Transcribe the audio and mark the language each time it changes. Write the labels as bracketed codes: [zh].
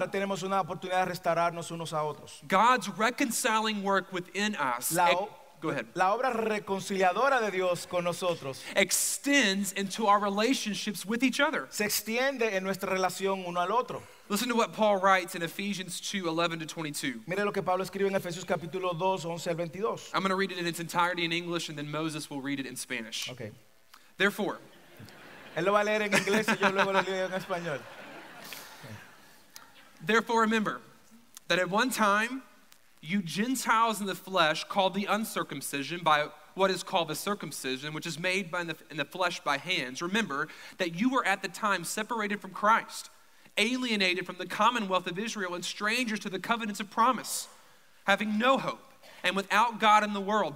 [es] Ahora tenemos una oportunidad de restaurarnos unos a otros. [en] God's reconciling work within us. [es] La obra reconciliadora de Dios con nosotros [en] extends into our relationships with each other. [es] Se extiende en nuestra relación uno al otro. [en] Listen to what Paul writes in Ephesians 2, 11 to 22. [es] Mire lo que Pablo escribe en Efesios capítulo 2, 11 al 22. [en] I'm going to read it in its entirety in English, and then Moses will read it in Spanish. Okay. Therefore. [es] Él lo va a leer en inglés y yo luego lo leo en español. [en] Therefore, remember that at one time, you Gentiles in the flesh called the uncircumcision by what is called the circumcision, which is made by in the flesh by hands. Remember that you were at the time separated from Christ, alienated from the commonwealth of Israel and strangers to the covenants of promise, having no hope and without God in the world.